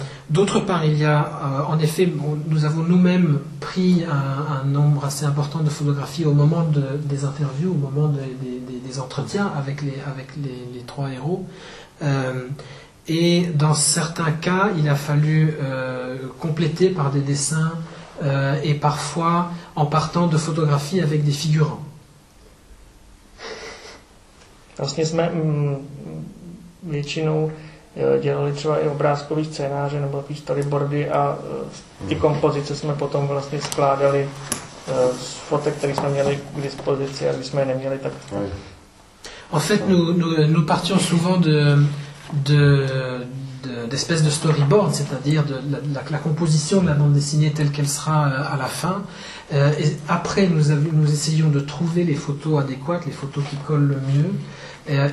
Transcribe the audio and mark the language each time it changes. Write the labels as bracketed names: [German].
[French] D'autre part, il y a, en effet, nous avons nous-mêmes pris un nombre assez important de photographies au moment des interviews, au moment des entretiens avec les trois héros. Et dans certains cas, il a fallu compléter par des dessins et parfois en partant de photographies avec des figurants. [Czech] Vlastně jsme většinou dělali třeba i obrázkový scénáře nebo ty storyboardy a ty kompozice jsme potom vlastně skládali z fotek, které jsme měli k dispozici, a když jsme je neměli, tak... [French] En fait, nous partions souvent d'espèces de storyboard, c'est-à-dire de la composition de la bande dessinée telle qu'elle sera à la fin. Et après, nous essayons de trouver les photos adéquates, les photos qui collent le mieux.